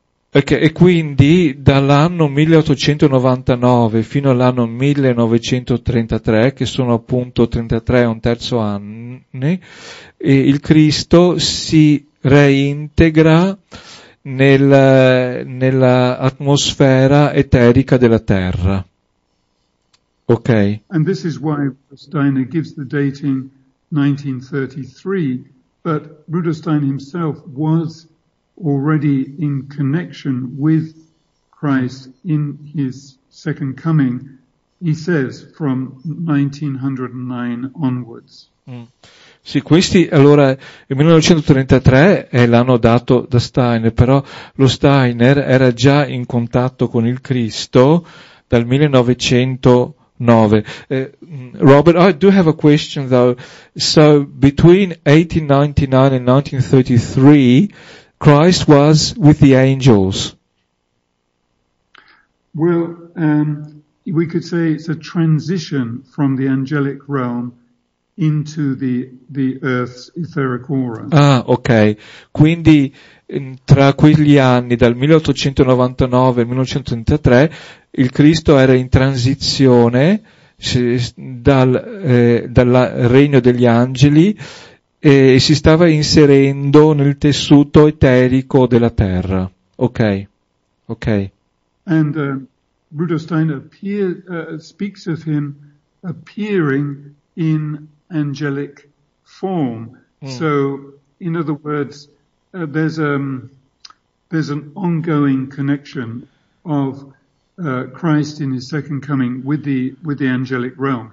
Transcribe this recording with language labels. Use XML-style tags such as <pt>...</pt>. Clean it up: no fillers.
<it>Okay, e quindi dall'anno 1899 fino all'anno 1933, che sono appunto 33 e un terzo anni, il Cristo si reintegra nella atmosfera eterica della Terra. Ok.</it> <en>And this is why Steiner gives the dating 1933, but Rudolf Steiner himself was already in connection with Christ in his second coming, he says, from 1909 onwards.</en> <it>Sì, questi, allora, il 1933 è l'anno dato da Steiner, però lo Steiner era già in contatto con il Cristo dal 1909.</it> <en>Robert, I do have a question though. So, between 1899 and 1933, Christ was with the angels. Well, we could say it's a transition from the angelic realm into the Earth's etheric aura. Ah, ok.</en> <it>Quindi tra quegli anni, dal 1899 al 1933, il Cristo era in transizione dal regno degli angeli e si stava inserendo nel tessuto eterico della Terra. Ok.</it> <en>And Rudolf Steiner speaks of him appearing in angelic form. Mm. So, in other words, there's an ongoing connection of Christ in his second coming with the angelic realm.</en>